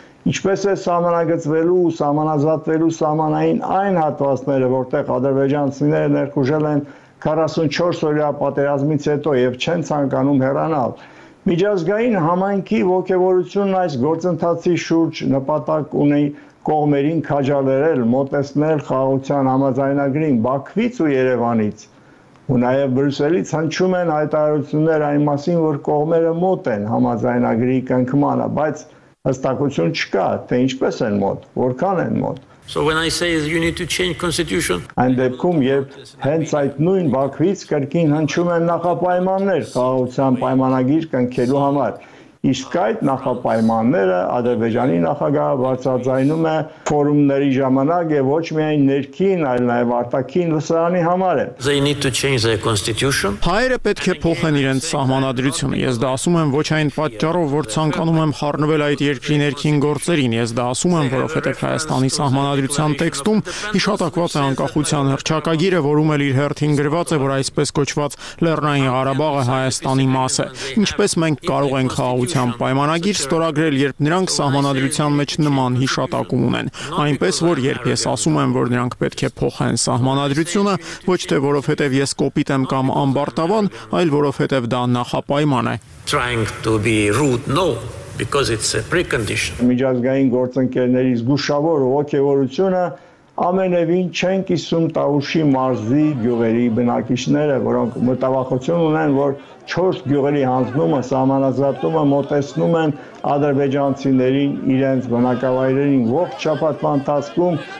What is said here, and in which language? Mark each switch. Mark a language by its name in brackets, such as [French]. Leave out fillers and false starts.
[Armenian] Ինչպես է սահմանագծվելու ու սահմանազատվելու սահմանային այն հատվածները, որտեղ ադրբեջանցիները ներխուժել են 44 օրյա պատերազմից հետո և չեն ցանկանում հեռանալ։ Միջազգային համայնքի ոգևորությունն այս գործընթացի շուրջ նպատակ ունի կողմերին քաջալերել, մոտեցնել խաղաղության համաձայնագրին Բաքվից ու Երևանից, ու նաև Բրյուսելից հնչում են հայտարարություններ այն մասին, որ կողմերը մոտ են համաձայնագրի կնքմանը, բայց հստակություն չկա, թե ինչպես են մոտ, որքան են մոտ։ [English] So when I say you need to change constitution, [Armenian] այն դեպքում, երբ հենց այդ նույն Բաքվից կրկին հնչում են նախապայմաններ խաղաղության պայմանագիր կնքելու համար, իսկ այդ նախապայմանները Ադրբեջանի նախագահը բարձրաձայնում է ֆորումների ժամանակ եւ ոչ միայն ներքին, այլ նաեւ արտաքին լսարանի համար է։ [English] They need to change their constitution. [Armenian] Հայերը պետք է փոխեն իրենց սահմանադրությունը։ Ես դա ասում եմ ոչ այն պատճառով, որ ցանկանում եմ խառնվել այդ երկրի ներքին գործերին, ես դա ասում եմ, որովհետեւ Հայաստանի սահմանադրության տեքստում հիշատակված է անկախության հռչակագիրը, որում էլ իր հերթին գրված է, որ այսպես կոչված Լեռնային Ղարաբաղը Հայաստանի մաս է։ Ինչպես մենք կարող ենք ության պայմանագիր ստորագրել, երբ նրանք սահմանադրության մեջ նման հիշատակում ունեն, այնպես որ երբ ես ասում եմ, որ նրանք պետք է փոխեն սահմանադրությունը, ոչ թե որովհետև ես կոպիտ եմ կամ ամբարտավան, այլ որովհետև դա նախապայման է։ [English] Trying to be rude, no, because it's a precondition. [Armenian] Միջազգային գործընկերների զգուշավոր ոգևորությունը ամենևին չեն կիսում Տավուշի մարզի գյուղերի բնակիչները, որոնք մտավախություն ունեն, որ 4 գյուղերի հանձնումը, սահմանազատումը մոտեցնում են ադրբեջանցիներին իրենց բնակավայրերին։ Ողջ շաբաթվա ընթացքում